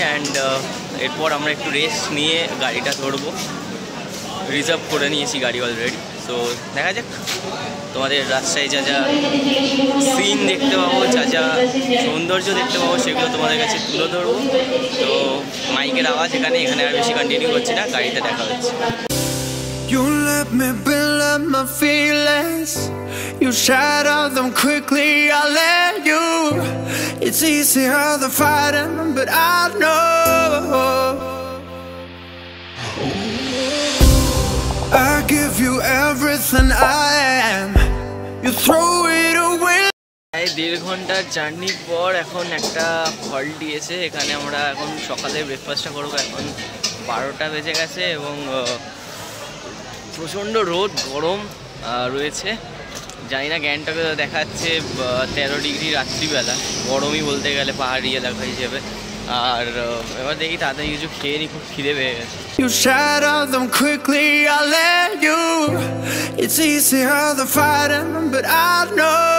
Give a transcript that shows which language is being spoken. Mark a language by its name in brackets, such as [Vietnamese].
[Bangla] And এরপর আমরা একটু রেস্ট নিয়ে গাড়িটা ধরবো, রিজার্ভ করে নিয়েছি গাড়ি অলরেডি। তো দেখা যাক তোমাদের রাস্তায় যা যা সিন দেখতে পাবো, যা যা সৌন্দর্য দেখতে পাবো সেগুলো তোমাদের কাছে তুলে ধরবো। তো মাইকের আওয়াজ এখানে এখানে আর বেশি কন্টিনিউ করছি না, গাড়িতে দেখা হচ্ছে। [English] You let me build up my feelings, you shatter them quickly, I let you. It's easier than fighting, but I know. I give you everything I am, you throw it away. [Bangla] দেড় ঘন্টার জার্নির পর এখন একটা হল দিয়েছে, এখানে আমরা এখন সকালে ব্রেকফাস্টটা করব। এখন 12টা বেজে গেছে এবং প্রচণ্ড রোদ, গরম রয়েছে, জানি না গ্যাংটকে দেখাচ্ছে 13 ডিগ্রি রাত্রিবেলা, গরমই বলতে গেলে পাহাড়ি এলাকা হিসেবে। আর এবার দেখি তাদের কিছু খেয়ে নি, খুব খিদে পেয়ে গেছে। [English] You shatter them quickly, I let you. It's easier than fighting, but I know.